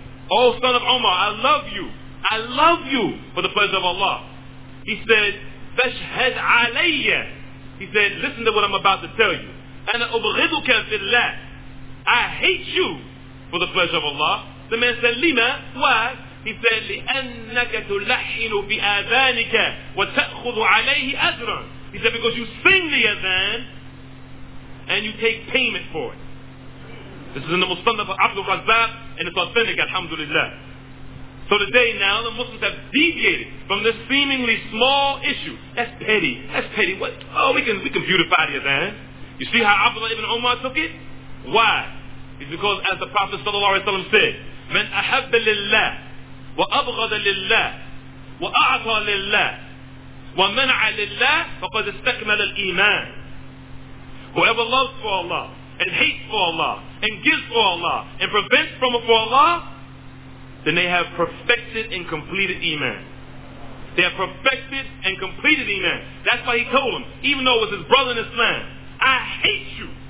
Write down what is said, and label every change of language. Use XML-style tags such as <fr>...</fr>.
<en>Oh, son of Umar, I love you. I love you for the pleasure of Allah. He said,</en> <ar>Fashhad alayya.</ar> <en>He said, listen to what I'm about to tell you.</en> <ar>Ana ubghiduka billah.</ar> <en>I hate you for the pleasure of Allah. The man said, Lima, why? He said,</en> <ar>لِأَنَّكَ تُلَحِّنُ بِآذَانِكَ وَتَأْخُذُ عَلَيْهِ أَجْرًا.</ar> <en>He said, because you sing the Adhan and you take payment for it. This is in the Musnad of Abdul Razzaq, and it's authentic, alhamdulillah. So today now, the Muslims have deviated from this seemingly small issue. That's petty. That's petty. What? Oh, we can beautify the Adhan. You see how Abdullah ibn Umar took it? Why? It's because, as the Prophet sallallahu alayhi wa sallam said,</en> <ar>مَنْ أَحَبَّ لِلَّهِ وَأَبْغَضَ لِلَّهِ وَأَعْطَى لِلَّهِ وَمَنْعَ لِلَّهِ فَقَدْ اسْتَكْمَلَ الْإِيمَانِ.</ar> <en>Whoever loves for Allah and hates for Allah and gives for Allah and prevents from for Allah, then they have perfected and completed Iman. They have perfected and completed Iman. That's why he told him, even though it was his brother in Islam, I hate you.</en>